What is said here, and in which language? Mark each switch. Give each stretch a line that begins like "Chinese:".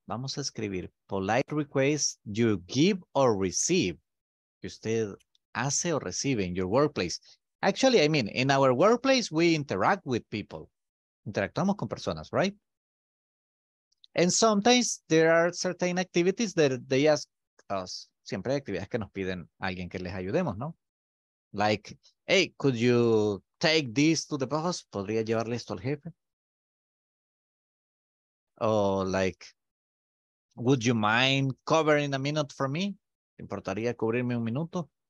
Spanish: Vamos a escribir
English: polite requests you give or receive.
Spanish: Que usted hace o recibe
English: in your workplace. Actually, I mean, in our workplace, we interact with people.
Spanish: Interactuamos con personas,
English: right? And sometimes there are certain activities that they ask us.
Spanish: Siempre hay actividades que nos piden a alguien que les ayudemos, ¿no?
English: Like, hey, could you take this to the boss?
Spanish: ¿Podría llevarle esto al jefe?
English: Or like, would you mind covering a minute for me?
Spanish: ¿Te importaría cubrirme un minuto?